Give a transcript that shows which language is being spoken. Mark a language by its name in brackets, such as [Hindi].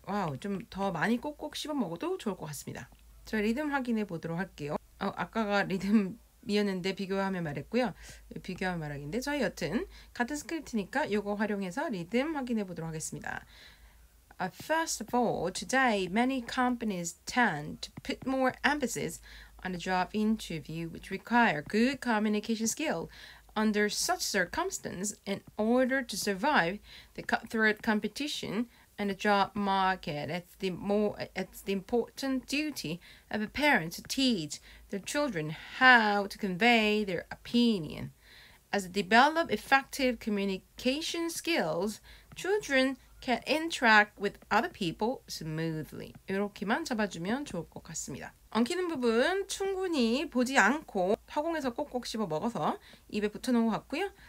[Korean] 와우, 좀 더 많이 꼭꼭 씹어 먹어도 좋을 것 같습니다. 저 리듬 확인해 보도록 할게요. 아까가 리듬이었는데 비교하면 말했고요. 비교하면 말하기인데 저희 여튼 같은 스크립트니까 이거 활용해서 리듬 확인해 보도록 하겠습니다. [English] First of all, today many companies tend to put more emphasis on a job interview which require good communication skill under such circumstances in order to survive the cutthroat competition and the job market. It's the important duty of a parent to teach their children how to convey their opinion. As develop effective communication skills, children can interact with other people smoothly. [Korean] 이렇게만 잡아주면 좋을 것 같습니다. 엉키는 부분 충분히 보지 않고 허공에서 꼭꼭 씹어 먹어서 입에 붙여놓은 것 같고요.